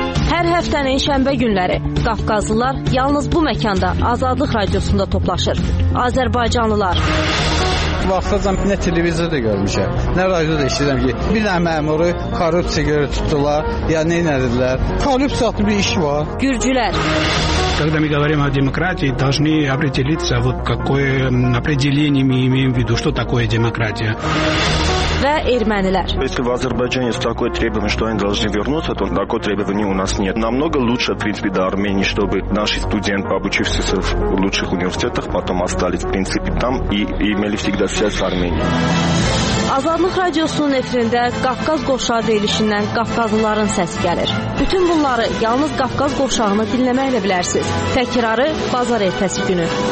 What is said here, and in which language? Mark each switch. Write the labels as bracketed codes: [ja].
[az] Hər həftənin şənbə günləri Qafqazlılar yalnız bu məkanda Azadlıq Radiosunda toplaşır. Azərbaycanlılar. Vaxtacam nə televizorda görmüşəm, nə radioda işləyirəm ki, bir dənə məmuru korrupsiya görə tutdular, ya nə edirlər? Korrupsiya adlı bir iş var. Gürcülər. [ru] Когда мы говорим о демократии, должны определиться, вот какое определение мы имеем в виду, что такое демократия. [az] Və ermənilər. [ru] Если в Азербайджане есть такое требование, что они должны вернуться, то такое требование у нас нет. Намного лучше, в принципе, до Армении, чтобы наши студенты, обучившиеся в лучших университетах, потом остались, в принципе, там и имели всегда связь с Арменией. [az] Azadlıq Radiosunun efirində Qafqaz Qovşağı verilişindən Qafqazlıların səsi gəlir. Bütün bunları yalnız Qafqaz Qovşağını dinləməklə bilərsiniz. Təkrarı bazar ertəsi günü.